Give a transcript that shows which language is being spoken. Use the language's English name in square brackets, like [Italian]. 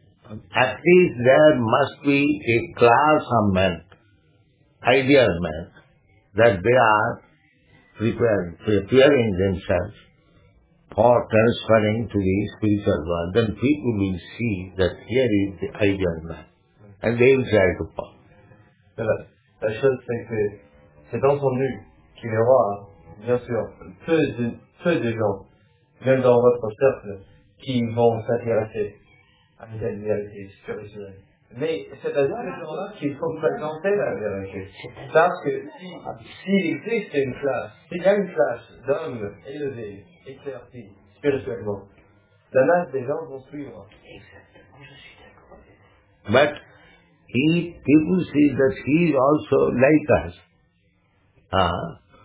[English] At least there must be a class of men, ideal men, that they are preparing themselves for transferring to the spiritual world. Then people will see that here is the ideal man, and they will try to follow. [French] La chose, c'est que c'est entendu qu'il y aura, bien sûr, peu de gens, même dans votre cercle, qui vont s'intéresser à la vérité spirituelle. Mais c'est à ces gens-là qu'il faut présenter la vérité. Parce que s'il existe une classe, s'il y a une classe d'hommes élevés, éclairés spirituellement, la masse des gens vont suivre. Exactement, je suis d'accord. [English] But people see that he is also like us.